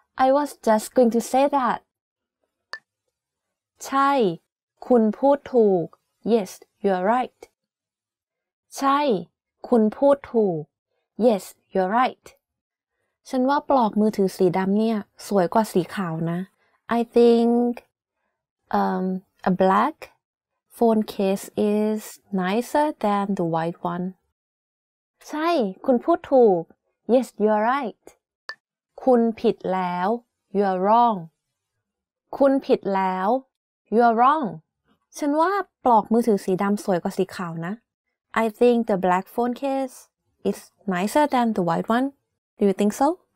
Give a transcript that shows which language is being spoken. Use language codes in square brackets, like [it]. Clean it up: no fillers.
[en] I was just going to say that. [th] ใช่คุณพูดถูก [en] Yes, you are right. [th] ใช่คุณพูดถูก [en] Yes, you are right. [th] ฉันว่าปลอกมือถือสีดำเนี่ยสวยกว่าสีขาวนะ [en] I think a black phone case is nicer than the white one. [th] ใช่คุณพูดถูก [en] Yes, you are right. [th] คุณผิดแล้ว [en] you are wrong [th] คุณผิดแล้ว [en] you are wrong [th] ฉันว่าปลอกมือถือสีดำสวยกว่าสีขาวนะ [en] I think the black phone case is nicer than the white one do you think so